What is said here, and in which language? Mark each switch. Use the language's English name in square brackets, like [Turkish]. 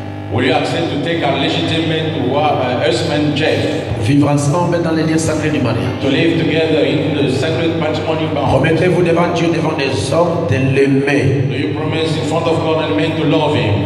[English] will you accept to take a legitimate husband, Jeff? [French] Vivre ensemble dans les liens sacrés du mariage. [English] To live together in the sacred matrimonial bond. [French] Promettez-vous devant Dieu, devant les hommes, de l'aimer. [English] Do you promise in front of God and men to love him?